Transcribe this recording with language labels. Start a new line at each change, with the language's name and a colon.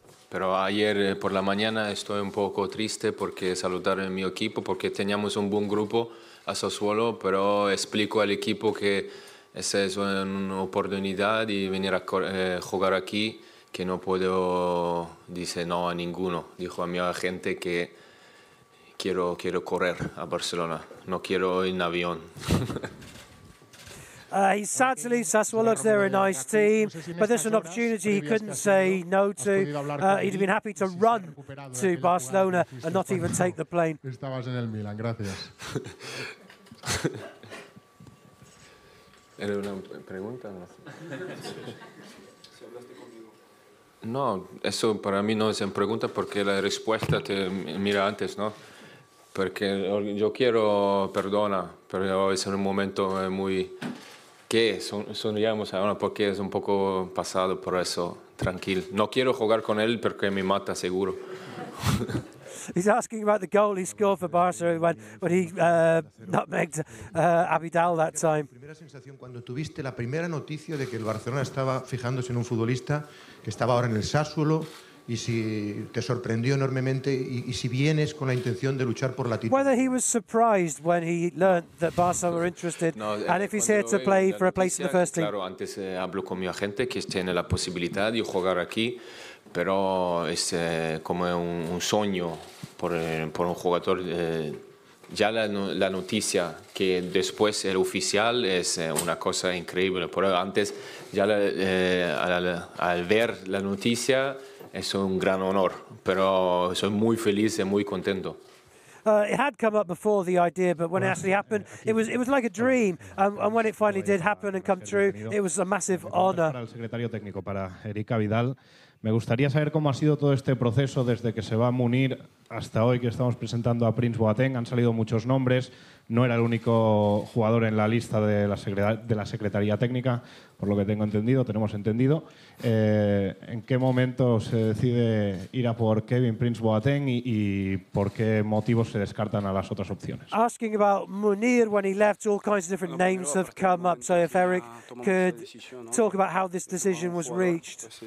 Spanish: Pero ayer por la mañana estoy un poco triste porque saludaron mi equipo, porque teníamos un buen grupo a Sassuolo, pero explico al equipo que esa es una oportunidad de venir a jugar aquí que no puedo decir no a ninguno. Dijo a mi agente que quiero correr a Barcelona. No quiero en avión.
English: He's sad to leave Sassuolo because they're a nice team, but there's an opportunity he couldn't say no to. He'd have been happy to run to Barcelona and not even take the plane.
Spanish: Estabas en el Milan, gracias. ¿Era una pregunta? No, eso para mí no es una pregunta porque la respuesta te mira antes, ¿no? Porque yo quiero, perdona, pero es un momento muy... ¿Qué? Sonríamos ahora porque es un poco pasado, por eso, tranquilo. No quiero jugar con él porque me mata seguro.
English: He's asking about the goal he scored for Barça when he nutmegged Abidal that time.
Spanish: Primera sensación cuando tuviste la primera noticia de que el Barcelona estaba fijándose en un futbolista que estaba ahora en el Sassuolo y si te sorprendió enormemente y si vienes con la intención de luchar por la titular.
English: Whether he was surprised when he learned that Barça were interested and if he's here to play for a place in the first team.
Spanish: Claro, antes hablo con mi agente que tiene la posibilidad de jugar aquí. Pero es como un sueño por un jugador. Ya la noticia que después el oficial es una cosa increíble. Pero antes, ya al ver la noticia, es un gran honor. Pero soy muy feliz y muy contento.
English: It had come up before the idea, but when it actually happened, it was like a dream. And when it finally did happen and come true, it was a massive honor.
Spanish: Para el secretario técnico, para Eric Abidal. Me gustaría saber cómo ha sido todo este proceso desde que se va a Munir hasta hoy que estamos presentando a Prince Boateng. Han salido muchos nombres. No era el único jugador en la lista de la Secretaría Técnica, por lo que tengo entendido, tenemos entendido. ¿En qué momento se decide ir a por Kevin Prince Boateng y por qué motivos se descartan a las otras opciones?
English: Asking about Munir when he left, all kinds of different names have come up. So if Eric could talk about how this decision was reached.